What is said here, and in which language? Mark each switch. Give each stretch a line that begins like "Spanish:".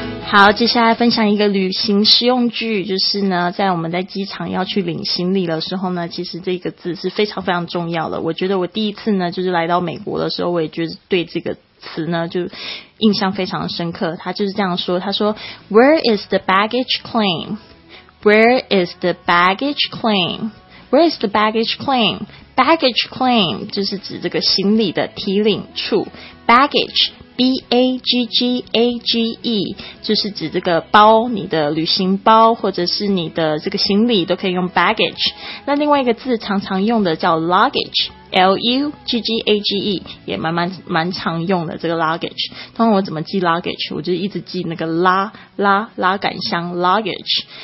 Chinese: 好，接下来分享一个旅行实用句，就是呢，在我们在机场要去领行李的时候呢，其实这个字是非常非常重要的。我觉得我第一次呢，就是来到美国的时候，我也就是对这个词呢，就印象非常深刻。他就是这样说，他说 ，
English: Where is the baggage claim? Where is the baggage claim? Where is the baggage claim?
Chinese: Baggage claim 就是指这个行李的提领处 ，baggage。 B-A-G-G-A-G-E 就是指这个包，你的旅行包或者是你的这个行李都可以用 baggage。那另外一个字常常用的叫 luggage, L-U-G-G-A-G-E 也蛮常用的。这个 luggage 通常我怎么记 luggage, 我就一直记那个拉杆箱 luggage。